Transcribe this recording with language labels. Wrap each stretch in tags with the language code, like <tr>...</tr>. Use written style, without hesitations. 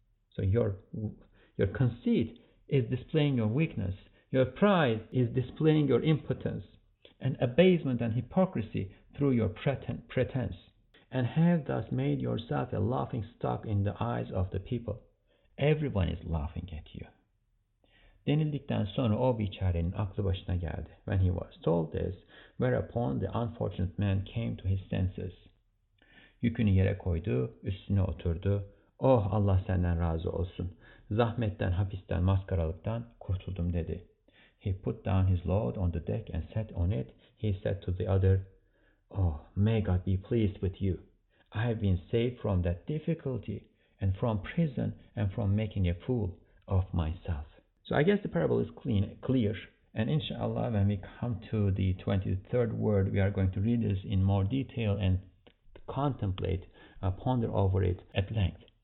<en>So your conceit is displaying your weakness. Your pride is displaying your impotence and abasement and hypocrisy through your pretense. And have thus made yourself a laughing stock in the eyes of the people. Everyone is laughing at you.</en> <tr>Denildikten sonra o biçarenin aklı başına geldi.</tr> <en>When he was told this, whereupon the unfortunate man came to his senses.</en> <tr>Yükünü yere koydu, üstüne oturdu. Oh Allah senden razı olsun. Zahmetten, hapisten, maskaralıktan kurtuldum dedi.</tr> <en>He put down his load on the deck and sat on it. He said to the other, oh, may God be pleased with you. I have been saved from that difficulty and from prison and from making a fool of myself. So I guess the parable is clear. And inshallah, when we come to the 23rd word, we are going to read this in more detail and contemplate, ponder over it at length.</en>